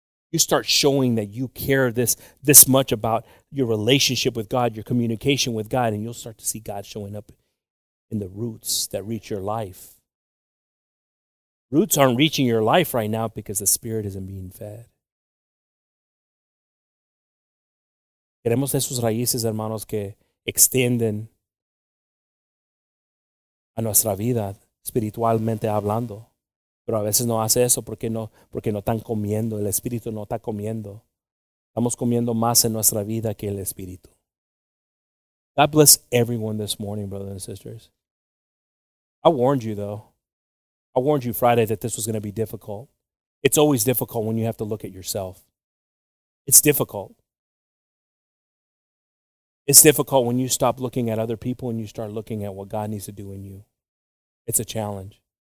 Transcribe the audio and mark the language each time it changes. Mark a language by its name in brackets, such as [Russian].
[English] You start showing that you care this much about your relationship with God, your communication with God, and you'll start to see God showing up in the roots that reach your life. Roots aren't reaching your life right now because the Spirit isn't being fed. [Spanish] Queremos esos raíces, hermanos, que extienden a nuestra vida, espiritualmente hablando. Pero a veces no hace eso porque no están comiendo, el Espíritu no está comiendo. Estamos comiendo más en nuestra vida que el Espíritu. [English] God bless everyone this morning, brothers and sisters. I warned you, though. I warned you Friday that this was going to be difficult. It's always difficult when you have to look at yourself. It's difficult. It's difficult when you stop looking at other people and you start looking at what God needs to do in you. It's a challenge.